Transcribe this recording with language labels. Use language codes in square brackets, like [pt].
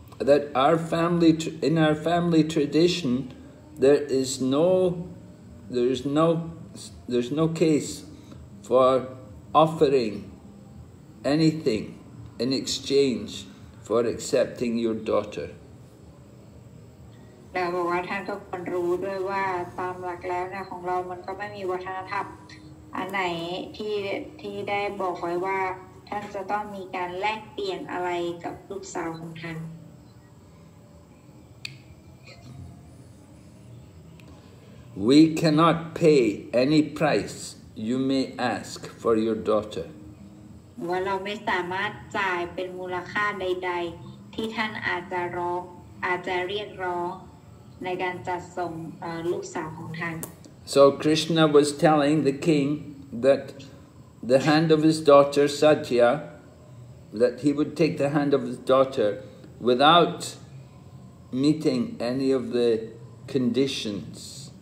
[en] That our family, in our family tradition, there's no case for offering anything in exchange for accepting your daughter. [th] แล้วบอกว่าท่านทุกคนรู้ด้วยว่าตามหลักแล้วนะของเรามันก็ไม่มีวัฒนธรรมอันไหนที่ได้บอกไว้ว่าท่านจะต้องมีการแลกเปลี่ยนอะไรกับลูกสาวของท่าน [en] We cannot pay any price you may ask for your daughter. [th] ว่าเราไม่สามารถจ่ายเป็นมูลค่าใดๆที่ท่านอาจจะร้องอาจจะเรียกร้องในการจัดส่งลูกสาวของท่าน [en] So Krishna was telling the king that the hand of his daughter Satya, that he would take the hand of his daughter without meeting any of the conditions.